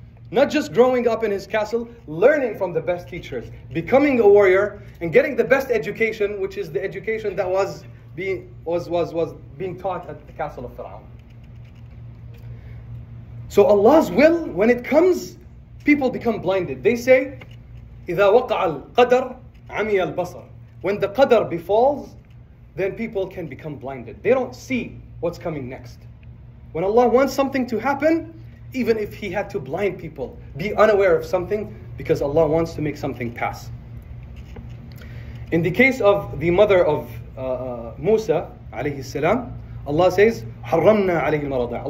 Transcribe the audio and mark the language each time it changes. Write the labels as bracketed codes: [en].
[en] Not just growing up in his castle, learning from the best teachers, becoming a warrior and getting the best education, which is the education that was being taught at the castle of Fir'aun. So Allah's will, when it comes, people become blinded. [ar] They say, إِذَا وَقَعَ الْقَدَرُ عَمِيَ الْبَصَرُ. [en] When the qadr befalls, then people can become blinded. They don't see what's coming next. When Allah wants something to happen, even if He had to blind people, be unaware of something, because Allah wants to make something pass. In the case of the mother of Musa, alayhi salam, Allah says, [ar] حَرَّمْنَا عَلَيْهِ الْمَرَضَىٰ.